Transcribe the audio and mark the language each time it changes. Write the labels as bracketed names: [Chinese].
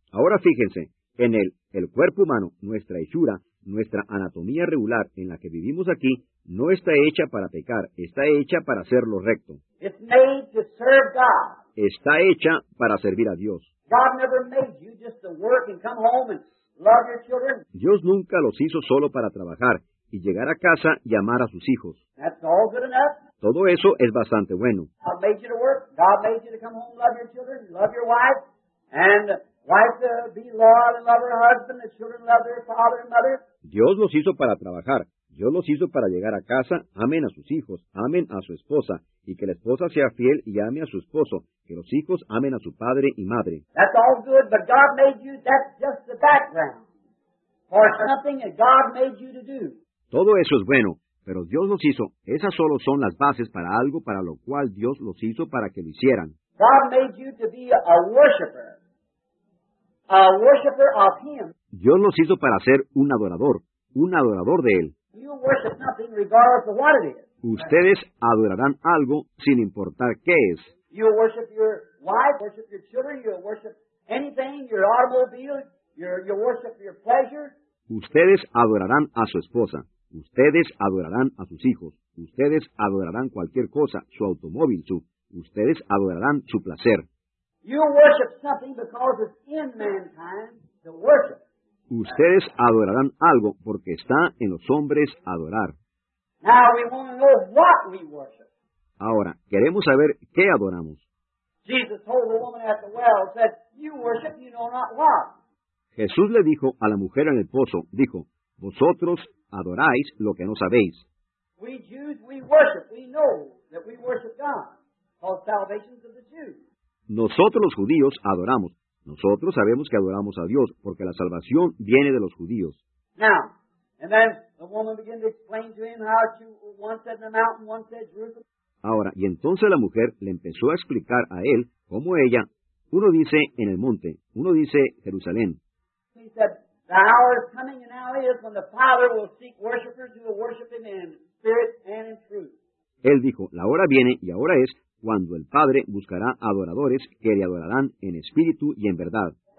[Spanish] Ahora fíjense, en el cuerpo humano, nuestra hechura, nuestra anatomía regular en la que vivimos aquí, no está hecha para pecar, está hecha para hacer lo recto. [English] It's made to serve God. [Spanish] Está hecha para servir a Dios. [English] God never made you just to work and come home and love your children. [Spanish] Dios nunca los hizo solo para trabajar y llegar a casa y amar a sus hijos. [English] That's all good enough. [Spanish] Todo eso es bastante bueno. [English] God made you to work. God made you to come home, love your children, love your wife, and wife to be loyal and love her husband, the children love their father and mother. [Spanish] Dios los hizo para trabajar. Dios los hizo para llegar a casa, amen a sus hijos, amen a su esposa, y que la esposa sea fiel y ame a su esposo, que los hijos amen a su padre y madre. [English] That's all good, but God made you, that's just the background for something that God made you to do. [Spanish] Todo eso es bueno. Pero Dios los hizo, esas solo son las bases para algo para lo cual Dios los hizo para que lo hicieran. [English] God made you to be a worshiper. A worshiper of Him. [Spanish] Dios los hizo para ser un adorador de Él. [English] You worship nothing regardless of what it is. [Spanish] Ustedes adorarán algo sin importar qué es. [English] You worship your wife, worship your children, you worship anything, your automobile, you worship your pleasure. [Spanish] Ustedes adorarán a su esposa. Ustedes adorarán a sus hijos. Ustedes adorarán cualquier cosa, su automóvil, su. Ustedes adorarán su placer. [English] You worship something because it's in mankind to worship. [Spanish] Ustedes adorarán algo porque está en los hombres adorar. [English] Now we want to know what we worship. [Spanish] Ahora, queremos saber qué adoramos. [English] Jesus told the woman at the well, said, you worship, you know not what. [Spanish] Jesús le dijo a la mujer en el pozo, dijo, vosotros adoráis lo que no sabéis. [English] We Jews, we worship. We know that we worship God. All salvation of the Jews. [Spanish] Nosotros los judíos adoramos. Nosotros sabemos que adoramos a Dios porque la salvación viene de los judíos. [English] Now, and then the woman began to explain to him how she once said the mountain, once said Jerusalem. [Spanish] Ahora, y entonces la mujer le empezó a explicar a él cómo ella, uno dice en el monte, uno dice Jerusalén. [English] He said, the hour is coming and now is when the Father will seek worshipers who will worship Him in spirit and in truth. [Spanish] Él dijo, la hora viene y ahora es cuando el Padre buscará adoradores que le adorarán en espíritu y en verdad.